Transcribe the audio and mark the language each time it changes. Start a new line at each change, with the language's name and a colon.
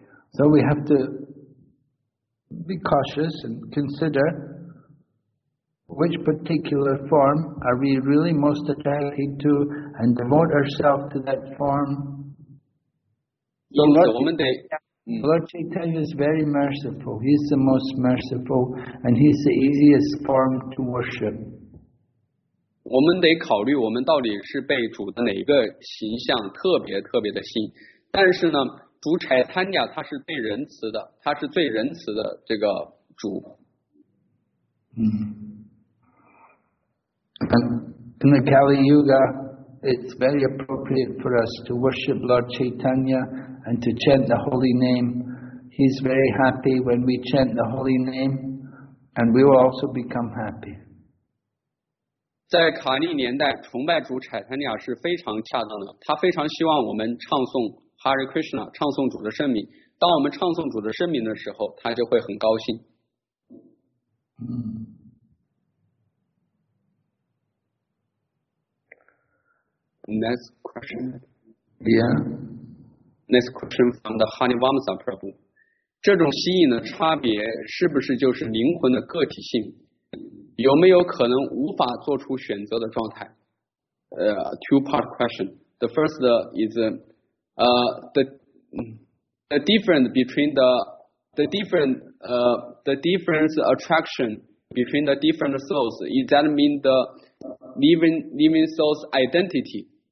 English: So we have to be cautious and consider which particular form are we really most attracted to and devote ourselves to that form. Lord Chaitanya is very merciful. He's the most merciful and he's the easiest form to worship.
Chinese: 我们得考虑我们到底是被主的哪个形象特别特别的吸引，但是呢主柴坦尼亚他是最仁慈的，他是最仁慈的这个主。
English: And in the Kali Yuga, it's very appropriate for us to worship Lord Chaitanya and to chant the holy name. He's very happy when we chant the holy name, and we will also become happy.
Chinese: 在卡利年代，崇拜主柴坦尼亚是非常恰当的，他非常希望我们唱诵。 Hare Krishna， 唱诵主的圣名。当我们唱诵主的圣名的时候，他就会很高兴。
English: Next question. Yeah. Next question from the Hani Vamsa Prabhu.
Chinese: 这种吸引的差别是不是就是灵魂的个体性？有没有可能无法做出选择的状态？
English: Two part question. The first is. The difference attraction between the different souls, does that mean the living soul's identity?